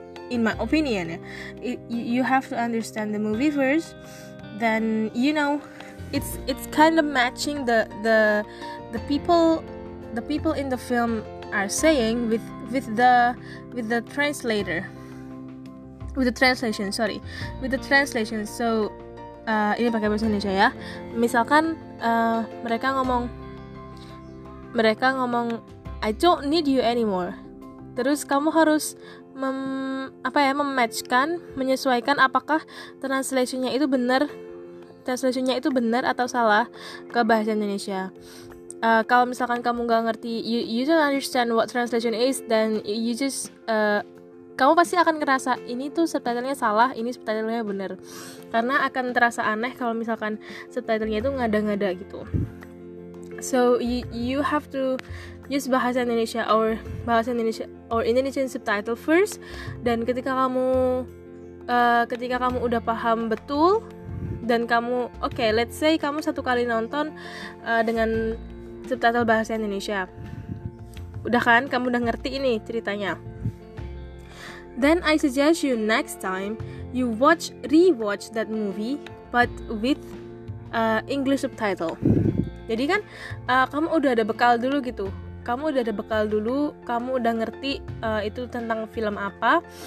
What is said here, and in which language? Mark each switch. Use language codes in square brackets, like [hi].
[en] In my opinion, you have to understand the movie first. Then you know it's kind of matching the people in the film are saying with the translation. [id] So ini pakai bahasa Indonesia ya. Misalkan mereka ngomong [en] I don't need you anymore. [id] Terus kamu harus mematchkan, menyesuaikan apakah translationnya itu benar atau salah ke bahasa Indonesia. Kalau misalkan kamu nggak ngerti, you don't understand what translation is, then you just kamu pasti akan ngerasa ini tuh subtitlenya salah, ini subtitlenya benar, karena akan terasa aneh kalau misalkan subtitlenya itu ngada-ngada gitu. [en] So you have to use bahasa Indonesia or Indonesian subtitle first. [id] Dan ketika kamu udah paham betul, dan kamu okay, let's say kamu satu kali nonton dengan subtitle bahasa Indonesia, udah kan, kamu udah ngerti ini ceritanya. [en] Then I suggest you next time you rewatch that movie but with English subtitle. [id] Jadi kan kamu udah ada bekal dulu gitu. Kamu udah ada bekal dulu, kamu udah ngerti itu tentang film apa.